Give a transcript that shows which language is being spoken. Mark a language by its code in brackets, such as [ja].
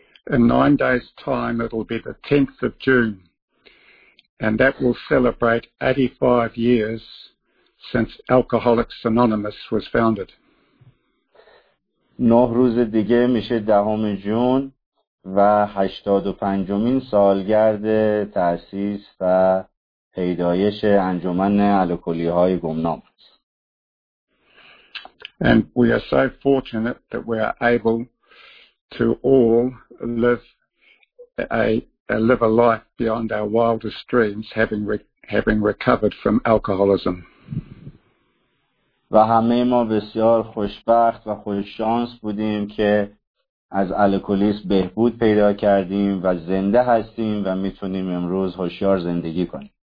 [en] In 9 days time it will be the 10th of June and that will celebrate 85 years since Alcoholics Anonymous was founded. [fa] 9 روز دیگه میشه 10 جون و 85 سالگرد تأسیس و پیدایش انجمن الکلی‌های گمنام است. [en] And we are so fortunate that we are able to all live a life beyond our wildest dreams having recovered from alcoholism. [fa] و همه ما بسیار خوشبخت و خوش شانس بودیم که از الکلیسم بهبود پیدا کردیم و زنده هستیم و میتونیم امروز هوشیار زندگی کنیم.